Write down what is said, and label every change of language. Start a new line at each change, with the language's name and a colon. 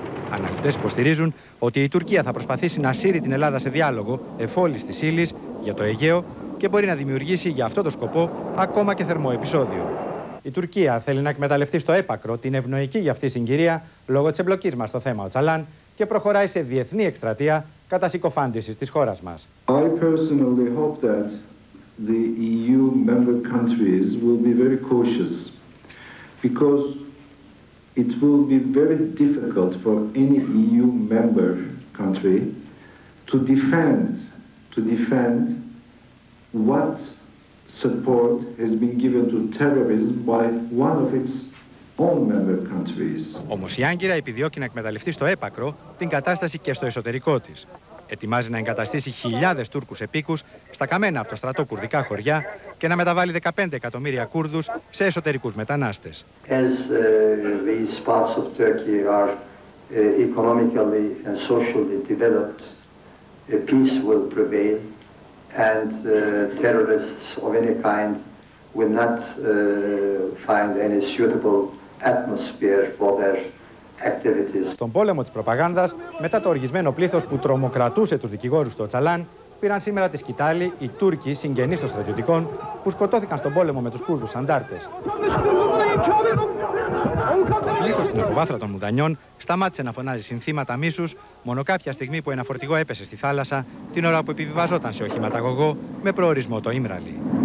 Greek: Αναλυτές υποστηρίζουν ότι η Τουρκία θα προσπαθήσει να σύρει την Ελλάδα σε διάλογο εφόλης της ύλης για το Αιγαίο και μπορεί να δημιουργήσει για αυτό το σκοπό ακόμα και θερμό επεισόδιο. Η Τουρκία θέλει να εκμεταλλευτεί στο έπακρο την ευνοϊκή για αυτή συγκυρία λόγω της εμπλοκής μας στο θέμα Ωτσαλάν και προχωράει σε διεθνή εκστρατεία κατά συκοφάντησης της χώρας μας.
English: I personally hope that the EU member countries will be very cautious because it will be very difficult for any EU member country to defend what support has been given to terrorism by one of its own member countries.
Greek: Όμως η Άγκυρα επιδιώκει να εκμεταλλευτεί στο έπακρο την κατάσταση και στο εσωτερικό της. Ετοιμάζει να εγκαταστήσει χιλιάδες Τούρκους επίκους στα καμένα από το στρατό κουρδικά χωριά και να μεταβάλει 15 εκατομμύρια Κούρδους σε εσωτερικούς μετανάστες.
English: As these parts of Turkey are economically and socially developed, peace will prevail and terrorists of any kind will not find any suitable atmosphere for their activities.
Greek: Στον πόλεμο της προπαγάνδας, μετά το οργισμένο πλήθος που τρομοκρατούσε τους δικηγόρους του Ωτσαλάν, πήραν σήμερα τη σκυτάλη οι Τούρκοι συγγενείς των στρατιωτικών που σκοτώθηκαν στον πόλεμο με τους Κούρδους αντάρτες. Το πλήθος στην οικοβάθρα των Μουδανιών σταμάτησε να φωνάζει συνθήματα μίσους μόνο κάποια στιγμή που ένα φορτηγό έπεσε στη θάλασσα την ώρα που επιβιβαζόταν σε οχηματαγωγό με προορισμό το Ήμραλι.